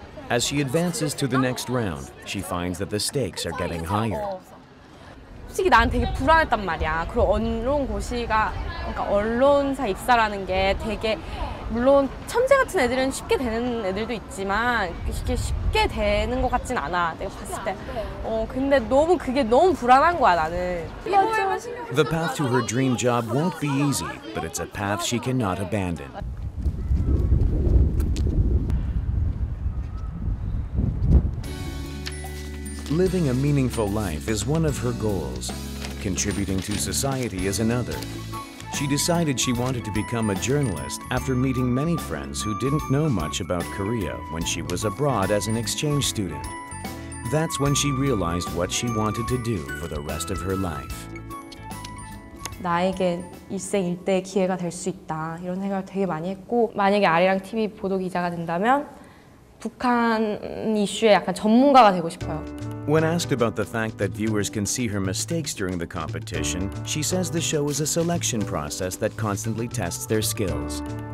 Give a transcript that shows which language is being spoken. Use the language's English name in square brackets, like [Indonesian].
[English] As she advances to the next round, she finds that the stakes are getting higher. [Korean] 솔직히 난 되게 불안했단 말이야. 그리고 언론 고시가, 그러니까 언론사 입사라는 게 되게 물론 천재 같은 애들은 쉽게 되는 애들도 있지만 이게 쉽게 되는 것 같진 않아. 내가 봤을 때. 근데 너무 그게 너무 불안한 거야 나는. [English] The path to her dream job won't be easy, but it's a path she cannot abandon. 'Living a meaningful life is one of her goals. Contributing to society is another. She decided she wanted to become a journalist after meeting many friends who didn't know much about Korea when she was abroad as an exchange student. That's when she realized what she wanted to do for the rest of her life. [Korean] 나에게 일생일대 기회가 될 수 있다 이런 생각을 되게 많이 했고 만약에 아리랑 TV 보도 기자가 된다면 북한 이슈에 약간 전문가가 되고 싶어요. [English] When asked about the fact that viewers can see her mistakes during the competition, she says the show is a selection process that constantly tests their skills.